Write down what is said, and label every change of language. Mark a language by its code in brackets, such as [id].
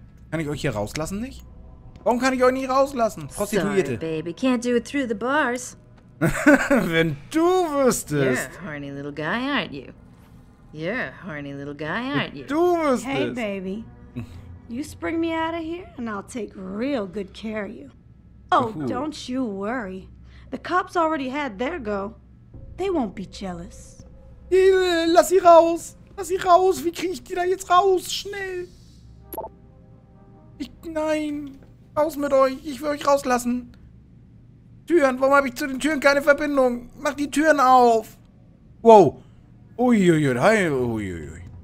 [de] Kann ich euch hier rauslassen nicht? Warum kann ich euch nicht rauslassen? Prostituierte. [en] Sorry, baby. Can't do it through the bars. [de] Wenn du wüsstest. [en] You're a horny little guy, aren't you? You're a horny little guy, aren't you? [de] Du wüsstest. [en] Hey, baby. You spring me out of here, and I'll take real good care of you. Oh, don't you worry. The cops already had their go. They won't be jealous. [de] Lass sie raus! Lass sie raus! Wie kriege ich die da jetzt raus? Schnell! Nein! Raus mit euch! Ich will euch rauslassen! Türen! Warum habe ich zu den Türen keine Verbindung? Mach die Türen auf! Wow! Uiuiui! Hi! Uiuiui!